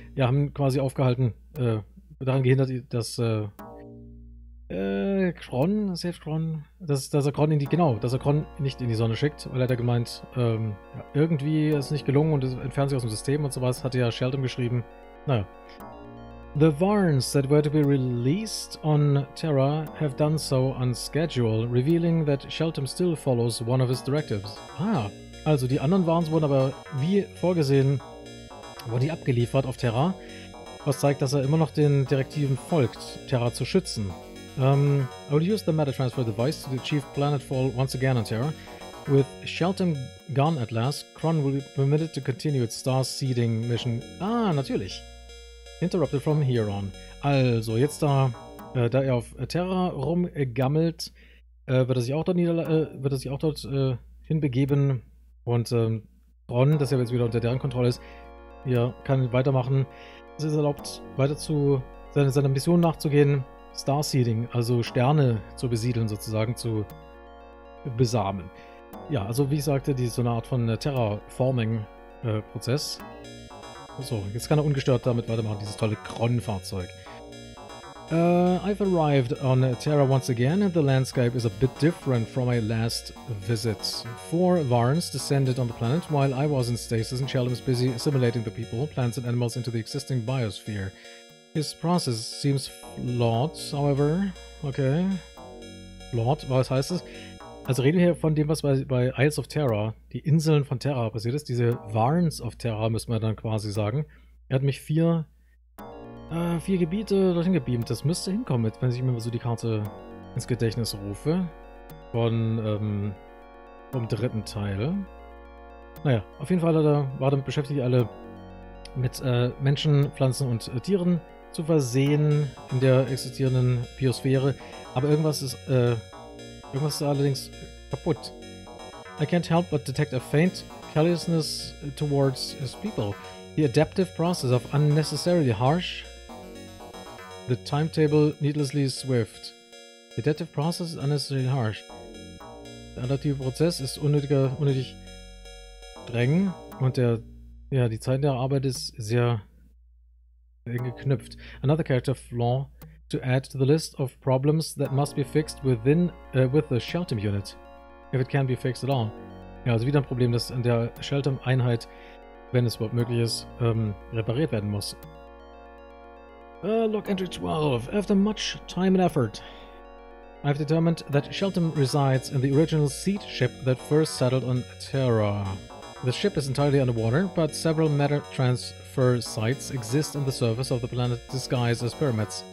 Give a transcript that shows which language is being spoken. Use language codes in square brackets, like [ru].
[de] Ja, haben quasi aufgehalten, daran gehindert, dass Kron, [en] saved Kron, [de] dass er Kron in die, genau, dass er Kron nicht in die Sonne schickt, weil er da gemeint, ja, irgendwie ist es nicht gelungen und entfernt sich aus dem System und sowas, hat ja Sheldon geschrieben. Naja. [en] The Varns that were to be released on Terra have done so on schedule, revealing that Sheldon still follows one of his directives. [de] Ah, also die anderen Varns wurden aber wie vorgesehen, wurden die abgeliefert auf Terra, was zeigt, dass er immer noch den Direktiven folgt, Terra zu schützen. [en] I will use the matter transfer device to achieve planetfall once again on Terra. With Sheldon gone at last, Kron will be permitted to continue its star seeding mission. [de] Ah, natürlich. [en] Interrupted from here on. [de] Also, jetzt da er auf Terra rumgammelt, wird er sich auch dort hinbegeben. Und Kron, dass er jetzt wieder unter deren Kontrolle ist, hier kann weitermachen. Es ist erlaubt, weiter zu seiner Mission nachzugehen. Starseeding, also Sterne zu besiedeln, sozusagen, zu besamen. Ja, also wie ich sagte, die so eine Art von Terraforming-Prozess. So, jetzt kann er ungestört damit weitermachen, dieses tolle Kron-Fahrzeug. [en] I've arrived on Terra once again and the landscape is a bit different from my last visit. Four Varns descended on the planet while I was in stasis and Sheldon is busy assimilating the people, plants and animals into the existing biosphere. His process seems flawed, however. Okay. Flawed, [de] was heißt es? Also reden wir hier von dem, was bei Isles of Terra, die Inseln von Terra, passiert ist. Diese Varns of Terra, müssen wir dann quasi sagen. Er hat mich vier Gebiete dorthin gebeamt. Das müsste hinkommen, wenn ich mir so die Karte ins Gedächtnis rufe. Von, vom dritten Teil. Naja, auf jeden Fall war damit beschäftigt, alle mit Menschen, Pflanzen und Tieren zu versehen in der existierenden Biosphäre. Aber irgendwas ist allerdings kaputt. [en] I can't help but detect a faint callousness towards his people. The adaptive process of unnecessarily harsh. The timetable needlessly swift. The adaptive process is unnecessarily harsh. [de] Der adaptive Prozess ist unnötig streng und die Zeit der Arbeit ist sehr geknüpft. [en] Another character flaw to add to the list of problems that must be fixed within with the Sheldon unit, if it can be fixed at all. [de] Ja, also wieder ein Problem, das in der Sheldon-Einheit, wenn es überhaupt möglich ist, repariert werden muss. [en] Log entry 12. After much time and effort, I've determined that Sheldon resides in the original seed ship that first settled on Terra. The ship is entirely underwater, but several matter transfer sites exist on the surface of the planet disguised as pyramids.